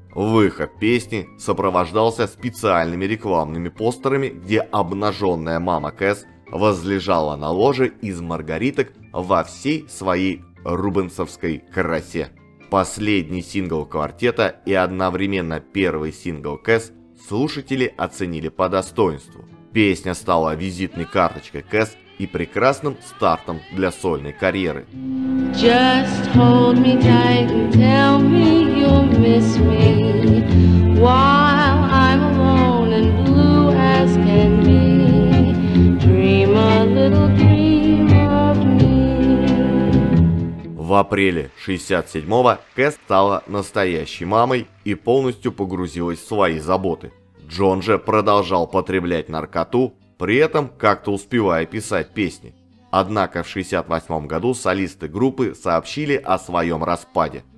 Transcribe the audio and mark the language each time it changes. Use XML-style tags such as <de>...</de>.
<ru>Выход песни сопровождался специальными рекламными постерами, где обнаженная мама Кэс возлежала на ложе из маргариток во всей своей рубенсовской красе. Последний сингл квартета и одновременно первый сингл Кэс слушатели оценили по достоинству. Песня стала визитной карточкой Кэс и прекрасным стартом для сольной карьеры.</ru> <en>Just hold me tight and tell me you'll miss me while I'm alone and blue as can be. Dream a little dream of me.</en> <ru>В апреле 67-го Кэс стала настоящей мамой и полностью погрузилась в свои заботы. Джон же продолжал потреблять наркоту, при этом как-то успевая писать песни. Однако в 68 году солисты группы сообщили о своем распаде.</ru>